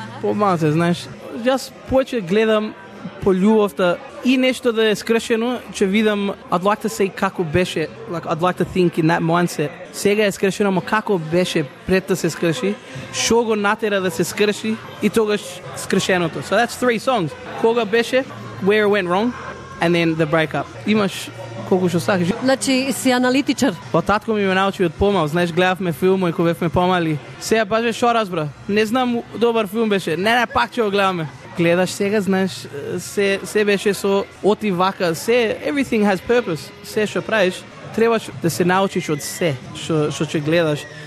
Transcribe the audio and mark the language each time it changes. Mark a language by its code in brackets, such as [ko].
[mk] Помалце, знаеш, јас поече гледам по љубовта и нешто да е скршено, ќе видам, [en] I'd like to say [mk] како беше, [en] like, I'd like to think in that mindset. [mk] Сега е скршено, но како беше пред да се скрши, шо го натера да се скрши и тогаш скршеното. [en] So that's 3 songs. [mk] Кога беше, [en] where it went wrong, and then the breakup. [mk] Имаш колку што сакаш. Значи, си аналитичар. Па татко ми ме научи од помал, знаеш, гледавме филмо и кога бевме помали. Сега баш шо разбра. Не знам добар филм беше. Не, пак ќе го гледаме. Гледаш сега, знаеш, се беше со оти вака, се [en] everything has purpose. [mk] Се што правиш, треба да се научиш од се што ќе гледаш.